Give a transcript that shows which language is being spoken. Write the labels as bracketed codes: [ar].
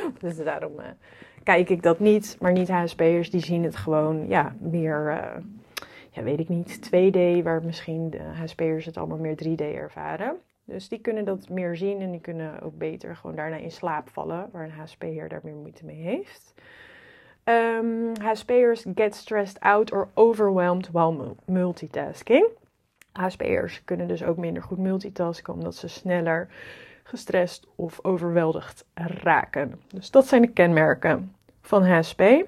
[nl] Dus daarom kijk ik dat niet. Maar niet-HSP'ers die zien het gewoon, ja, meer, ja, weet ik niet, 2D, waar misschien de HSP'ers het allemaal meer 3D ervaren. Dus die kunnen dat meer zien en die kunnen ook beter gewoon daarna in slaap vallen, waar een HSP'er daar meer moeite mee heeft. [en] HSP'ers get stressed out or overwhelmed while multitasking. [nl] HSP'ers kunnen dus ook minder goed multitasken omdat ze sneller gestrest of overweldigd raken. Dus dat zijn de kenmerken van HSP.